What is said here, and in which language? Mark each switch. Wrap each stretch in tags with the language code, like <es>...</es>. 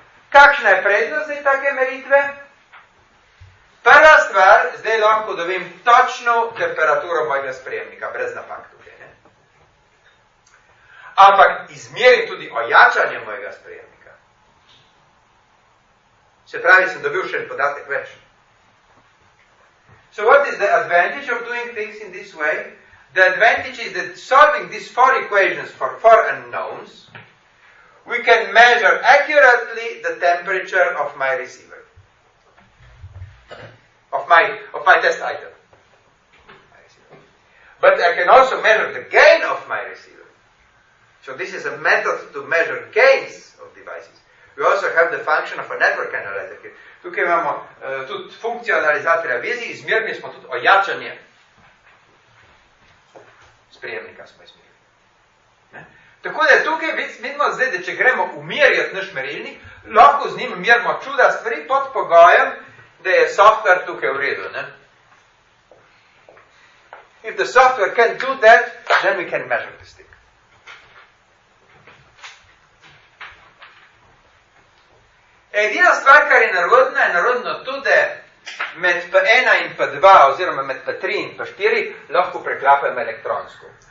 <sl>Kakšna je prednost zdaj take meritve? Prva stvar, zdaj lahko dobim točno temperaturo mojega sprejemnika, brez napak tukaj. Ne? Ampak izmerim tudi ojačanje mojega sprejemnika. Se pravi, sem dobil še en podatek več.</sl> <en>So what is the advantage of doing things in this way? The advantage is that solving these four equations for four unknowns, we can measure accurately the temperature of my receiver. Of my test item. But I can also measure the gain of my receiver. So this is a method to measure gains of devices. We also have the function of a network analyzer.</en> <sl>Tukaj imamo tudi funkcijo analizatorja vezi, izmerili smo tudi ojačanje sprejemnika smo izmerili. Tako da tukaj vidimo zdaj, da če gremo umerjati naš merilnik, lahko z njim merimo čuda stvari pod pogojem, da je software tukaj v redu. Ne?</sl> <en>If the software can do that, then we can measure this thing.</en> <sl>Edina stvar, kar je narodno tudi med P1 in P2, oziroma med P3 in P4, lahko preklapem elektronsko.</sl>